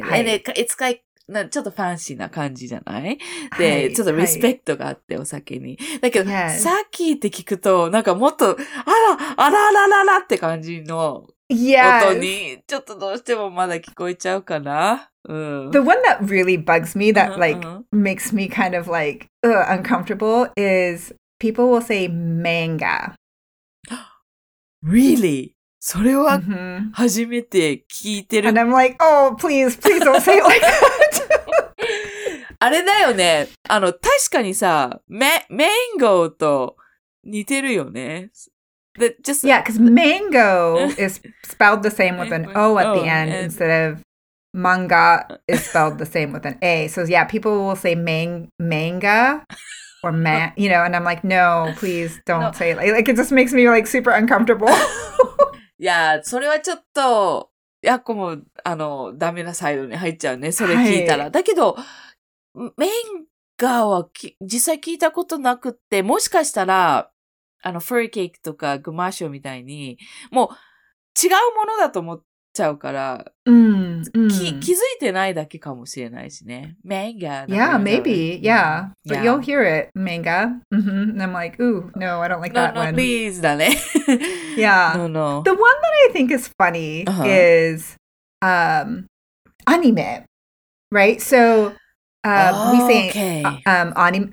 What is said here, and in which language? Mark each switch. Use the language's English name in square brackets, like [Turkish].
[Japanese] はい。 [English] It's like, [Japanese] なちょっとファンシーな感じじゃない？で、はい、ちょっとリスペクトがあって、はい、お酒に。だけど、サーキーって聞くと、なんかもっと、あら、あらあらららって感じの音に、ちょっとどうしてもまだ聞こえちゃうかな。 [English] The one that really bugs me, that like makes me kind of like uncomfortable, is people will say manga. Really? [Japanese] それは初めて聞いてる。 [English] And I'm like, oh, please, please don't say it like that. [Japanese] あれだよね。あの、確かにさ、マンゴーと似てるよね。 [English] Just, yeah, because mango is spelled the same with an O at the end instead of manga is spelled the same with an A. So yeah, people will say manga. Or man, you know, and I'm like, no, please don't say it. Like, it just makes me like super uncomfortable. [Japanese] Yeah, それはちょっと、ヤコも、あの、ダメなサイドに入っちゃうね、それ聞いたら。だけど、メインかは実際聞いたことなくって、もしかしたら、あの、フェリーケーキとかグマッシュみたいに、もう違うものだと思っちゃうから、うん、気づいてないだけかもしれないしね。メンガ。 [English] Yeah, maybe. Yeah. But yeah. You'll hear it. メンガ。 And I'm like, ooh, no, I don't like that one. No, please, だね。 Yeah. No, no. The one that I think is funny、uh-huh. is, anime. Right? So,we say, anime.